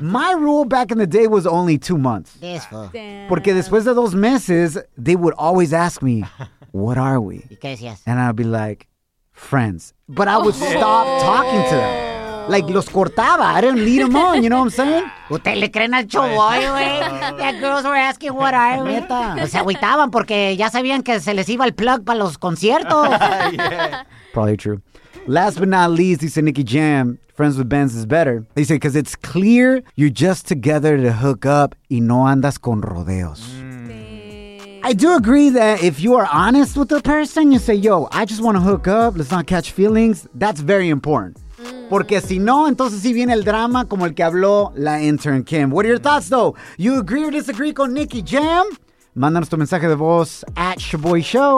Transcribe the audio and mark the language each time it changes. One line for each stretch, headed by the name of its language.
English: My rule back in the day was only 2 months. This fool. Damn.
Spanish: Porque después de dos meses,
English: they would always ask me, what are we? Because yes. And I'd be like, friends. But I would stop talking to them.
Spanish: Like, los cortaba.
English: I didn't lead them on, you know what I'm saying?
Spanish: ¿Usted le creen al chavoy, güey?
English: That girls were asking, what are we?
Spanish: Pues se agüitaban porque ya sabían que se les iba el plug para los conciertos.
English: Yeah. Probably true. Last but not least, he said Nicky Jam, friends with Benz is better. He said, because it's clear you're just together to hook up
Spanish: y no andas con rodeos.
English: I do agree that if you are honest with the person, you say, yo, I just want to hook up. Let's not catch feelings. That's very important.
Spanish: Porque si no, entonces sí viene el drama como el que habló la intern Kim.
English: What are your thoughts, though? You agree or disagree
Spanish: con Nicky Jam? Mándanos tu mensaje de voz at Shaboy Show.